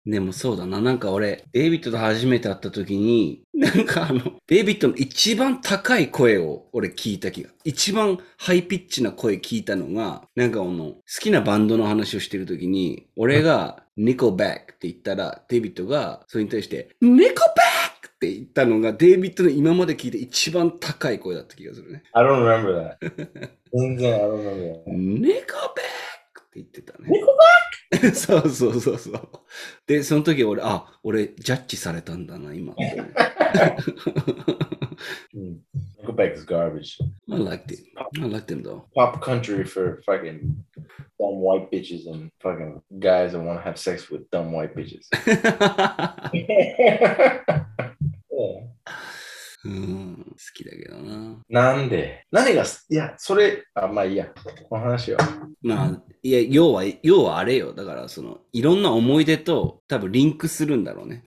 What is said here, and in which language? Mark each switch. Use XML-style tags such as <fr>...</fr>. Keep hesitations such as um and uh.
<ja>でもそうだな、なんか俺、デイビットと初めて会った時に、なんかあの、デイビットの一番高い声を俺聞いた気が、一番ハイピッチな声聞いたのが、なんかあの、好きなバンドの話をしてる時に、俺が、 ニコバックって言ったら、デビットが、それに対して、ニコバックって言ったのが、デビットの今まで聞いて一番高い声だった気がするね。</ja> <en>I don't</en> <ja>r e m ニコバックって言ってたね。ニコバック そうそうそうそう。で、その時俺、あ、俺、ジャッジされたんだな、今、ね。</ja> <en>うん Nickelback is garbage. I liked it. It's pop, I liked him though. Pop country for fucking dumb white bitches and fucking guys that want to have sex with dumb white bitches.</en> <ja>うん、好きだけどな。なんで何がいや、それ、あ、まあいいや、この話は。まあ、いや、要は、要はあれよ。だから、その、いろんな思い出と、多分リンクするんだろうね。</ja>